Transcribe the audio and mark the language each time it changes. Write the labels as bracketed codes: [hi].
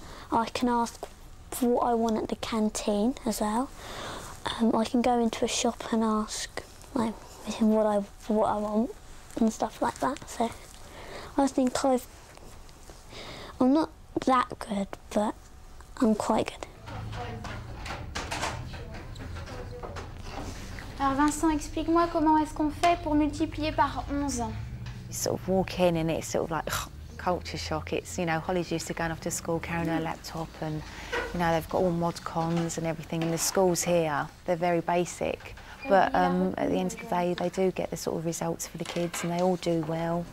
[en] I can ask for what I want at the canteen as well. I can go into a shop and ask like what I want and stuff like that. So I think I'm not that good, but I'm quite good. [fr] Alors Vincent, explique-moi comment est-ce qu'on fait pour multiplier par 11. [en] You sort of walk in and it's sort of like culture shock. It's, you know, Holly's used to going off to school carrying her laptop and, you know, they've got all mod cons and everything. And the schools here, they're very basic. But at the end of the day, they do get the sort of results for the kids and they all do well.